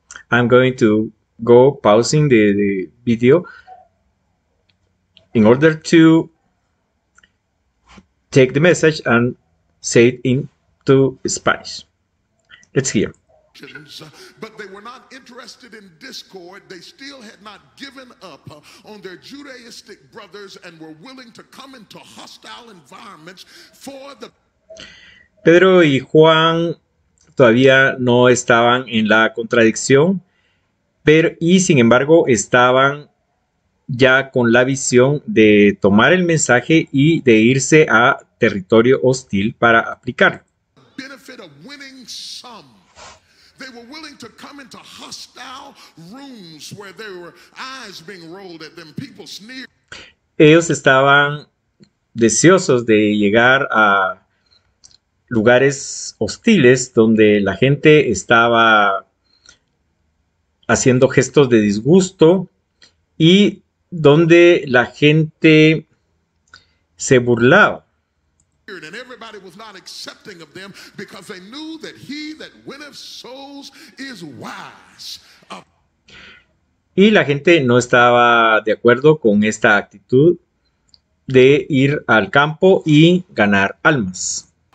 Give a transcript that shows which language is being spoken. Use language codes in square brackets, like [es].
[en] I'm going to go pausing the video in order to take the message and say it into Spanish. Let's hear. But they were not interested in discord. They still had not given up on their Judaistic brothers and were willing to come into hostile environments for the... [es] Pedro y Juan todavía no estaban en la contradicción, pero y sin embargo estaban ya con la visión de tomar el mensaje y de irse a territorio hostil para aplicarlo. [en] Benefit of winning some. They were willing to come into hostile rooms where there were eyes being rolled at them, people sneered. [es] Ellos estaban deseosos de llegar a lugares hostiles donde la gente estaba haciendo gestos de disgusto y donde la gente se burlaba. [en] And everybody was not accepting of them because they knew that he that winneth souls is wise. [es] Y la gente no estaba de acuerdo con esta actitud de ir al campo y ganar almas.